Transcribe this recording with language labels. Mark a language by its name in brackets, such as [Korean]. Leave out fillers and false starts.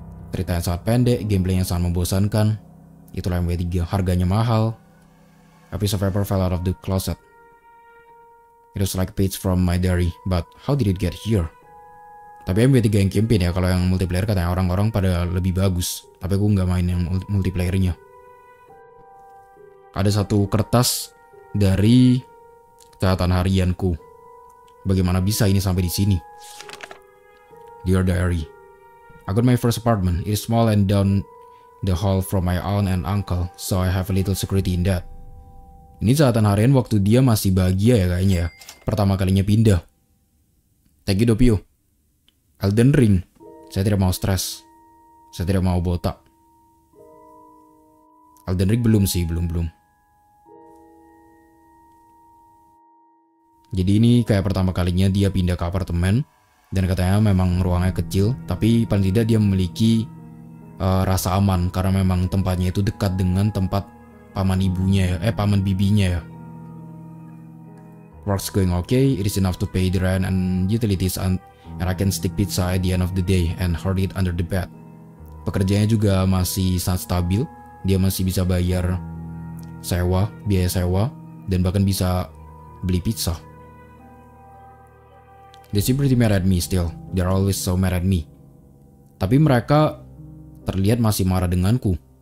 [Indonesian] Cerita yang sangat pendek, gameplay yang sangat membosankan. Itulah MW3. Harganya mahal. [English] A piece of paper fell out of the closet. It was like a page from my diary. But how did it get here? [Indonesian] Tapi MW3 yang campaign ya, kalau yang multiplayer katanya orang-orang pada lebih bagus. Tapi aku nggak main yang multiplayernya. Ada satu kertas dari catatan harianku. Bagaimana bisa ini sampai di sini? [English] Dear Diary, I got my first apartment. It's small and down the hall from my aunt and uncle, so I have a little security in that. [Indonesian] Ini catatan harian waktu dia masih bahagia ya kayaknya ya. Pertama kalinya pindah. [English] Thank you, [Indonesian] Dopio. Elden Ring. Saya tidak mau stres. Saya tidak mau botak. Elden Ring belum sih, belum. Jadi ini kayak pertama kalinya dia pindah ke apartemen. Dan katanya memang ruangnya kecil. Tapi paling tidak dia memiliki rasa aman. Karena memang tempatnya itu dekat dengan tempat paman ibunya ya. Paman bibinya ya. [English] Works going okay. It is enough to pay the rent and utilities and I can stick pizza at the end of the day and hoard it under the bed. [Indonesian] Pekerjaannya juga masih sangat stabil. Dia masih bisa bayar sewa, biaya sewa, dan bahkan bisa beli pizza. [English] They seem pretty mad at me still. They're always so mad at me. [Indonesian] Tapi mereka terlihat masih marah denganku.